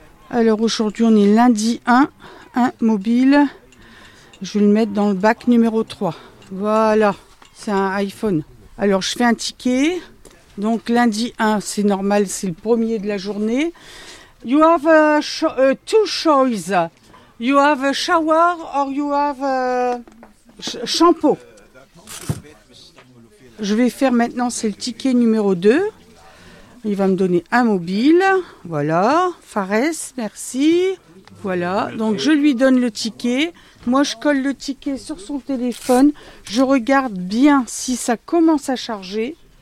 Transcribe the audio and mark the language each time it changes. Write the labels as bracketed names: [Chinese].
[French] Alors aujourd'hui, on est lundi 1 mobile. Je vais le mettre dans le bac numéro 3. Voilà, c'est un iPhone. Alors je fais un ticket. Donc lundi 1, c'est normal, c'est le premier de la journée. [English] You have two choices. You have a shower or you have shampoo. [French] Je vais faire maintenant, c'est le ticket numéro 2. Il va me donner un mobile. Voilà, Fares, merci. Voilà, donc je lui donne le ticket. Moi, je colle le ticket sur son téléphone. Je regarde bien si ça commence à charger.